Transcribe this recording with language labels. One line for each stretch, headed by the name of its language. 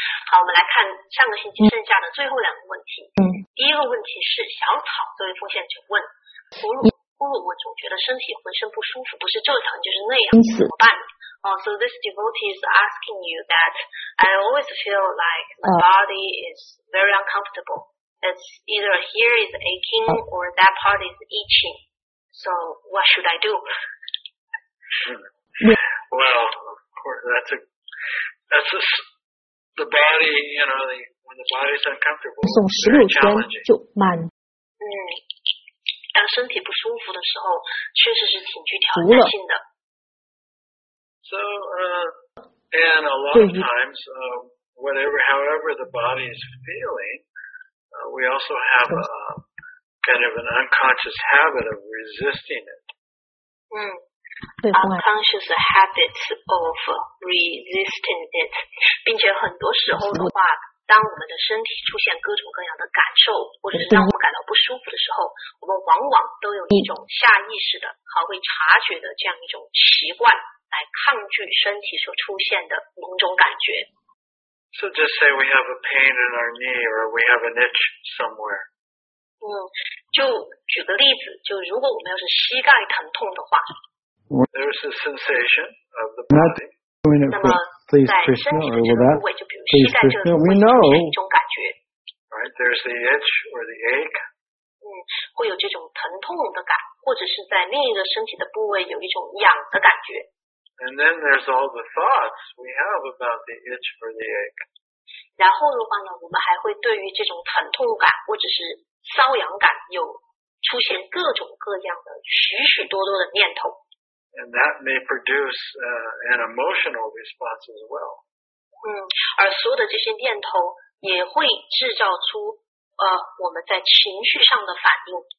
Chinese: 好，我们来看上个星期剩下的最后两个问题。第一个问题是小草作为奉献者问，咕噜，我总觉得身体浑身不舒服，不是这样就是那样，怎么办？
English: So this devotee is asking you that I always feel like my body is very uncomfortable. It's either here is aching or that part is itching. So what should I do? Well, of course, that's the body, you know, when the body is uncomfortable, it's very challenging.
Chinese: 当身体不舒服的时候确实是挺具挑战性的。
English: So, and a lot of times, however the body is feeling,we also have a kind of an unconscious habit of resisting it. unconscious habits of resisting it.
Chinese: 并且很多时候的话，当我们的身体出现各种各样的感受，或者是当我们感到不舒服的时候，我们往往都有一种下意识的、毫未察觉的这样一种习惯来抗拒身体所出现的某种感觉。
English: So just say we have a pain in our knee or we have an itch somewhere.
Chinese: 就举个例子，就如果我们要是膝盖疼痛的话，
English: there's a sensation of the body. Not doing it for please Krishna or with that. Please Krishna, we know. Right, there's the itch or the ache.
Chinese: 会有这种疼痛的感，或者是在另一个身体的部位有一种痒的感觉。
English: And then there's all the thoughts we have about the itch or the ache.
Chinese: 然后的话呢，我们还会对于这种疼痛感或者是瘙痒感有出现各种各样的许许多多的念头。
English: And that may produce an emotional response as well.
Chinese: 而所有的这些念头也会制造出我们在情绪上的反应。